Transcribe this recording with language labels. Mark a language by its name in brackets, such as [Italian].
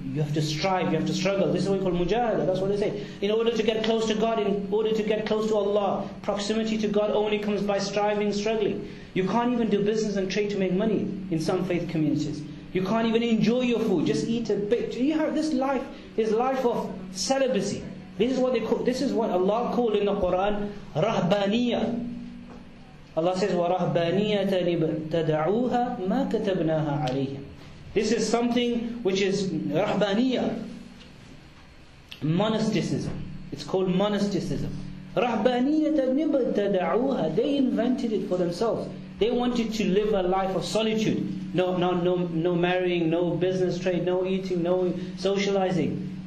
[English] You have to strive, you have to struggle. This is what we call mujahada, that's what they say. In order to get close to God, in order to get close to Allah, proximity to God only comes by striving, struggling. You can't even do business and trade to make money in some faith communities. You can't even enjoy your food, just eat a bit. You have, this life is life of celibacy. This is what they call, this is what Allah called in the Quran, rahbaniyah. Allah says, [Arabic] وَرَهْبَانِيَةً تَدَعُوهَا مَا كَتَبْنَاهَا عَلَيْهِمْ. [English] This is something which is rahbaniyah, monasticism. It's called monasticism. [Arabic] رَهْبَانِيَةً تَدَعُوهَا. [English] They invented it for themselves. They wanted to live a life of solitude. No marrying, no business trade, no eating, no socializing.